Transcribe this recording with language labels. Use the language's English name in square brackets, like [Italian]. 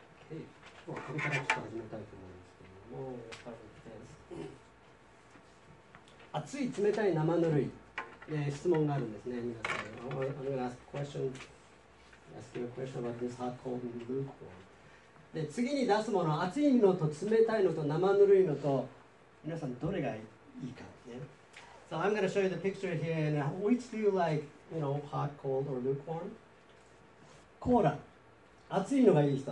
[Japanese] で、まあ、これからちょっと始めたいと思うんですけども、熱い冷たい生ぬるい、質問があるんですね。 [English] 皆さん、I'm going to ask a question, ask you a question about this hot cold and lukewarm。 [Japanese] で、次に出すもの、熱いのと冷たいのと生ぬるいのと、皆さんどれがいいか、ね。 [English] So I'm going to show you the picture here, and which do you like, you know, hot, cold, or lukewarm? [Japanese] コーラ、熱いのがいい人。